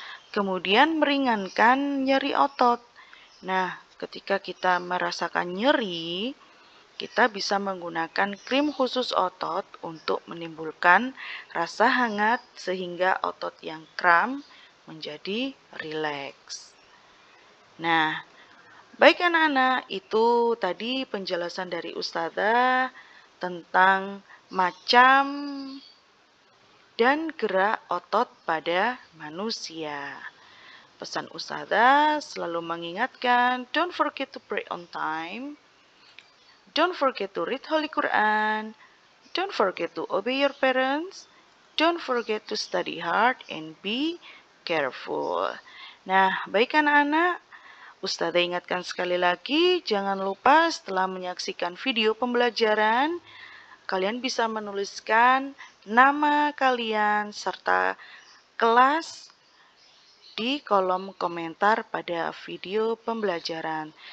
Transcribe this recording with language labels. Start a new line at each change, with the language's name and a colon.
Indonesian: Kemudian meringankan nyeri otot. Nah, ketika kita merasakan nyeri, kita bisa menggunakan krim khusus otot untuk menimbulkan rasa hangat sehingga otot yang kram menjadi rileks. Nah, baik anak-anak, itu tadi penjelasan dari Ustazah tentang macam, dan gerak otot pada manusia. Pesan Ustazah selalu mengingatkan,
English: don't forget to pray on time, don't forget to read Holy Quran, don't forget to obey your parents, don't forget to study hard and be careful.
Indonesian: Nah, baik anak-anak, Ustazah ingatkan sekali lagi, jangan lupa setelah menyaksikan video pembelajaran, kalian bisa menuliskan nama kalian serta kelas di kolom komentar pada video pembelajaran.